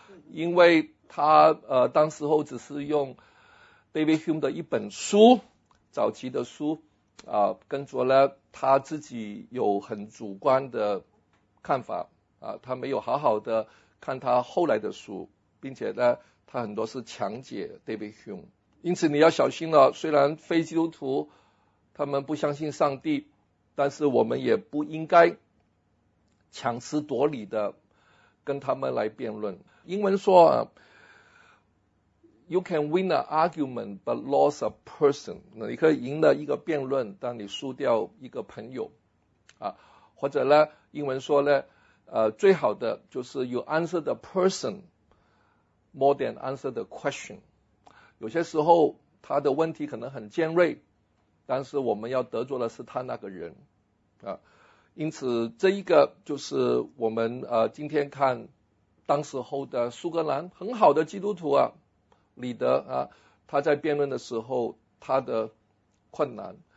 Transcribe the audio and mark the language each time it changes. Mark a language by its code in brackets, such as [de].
[zh] 因为他当时候只是用 David Hume 的一本书，早期的书啊，跟着呢他自己有很主观的看法啊，他没有好好的看他后来的书，并且呢他很多是强解 David Hume。因此你要小心了，虽然非基督徒他们不相信上帝，但是我们也不应该强词夺理的跟他们来辩论。英文说 [en] You can win an argument but lose a person， [zh] 你可以赢了一个辩论但你输掉一个朋友啊，或者呢英文说呢最好的就是 [en] you answer the person more than answer the question。 [zh] 有些时候他的问题可能很尖锐，但是我们要得着的是他那个人啊。因此这一个就是我们今天看当时候的苏格兰很好的基督徒啊，李德啊，他在辩论的时候他的困难。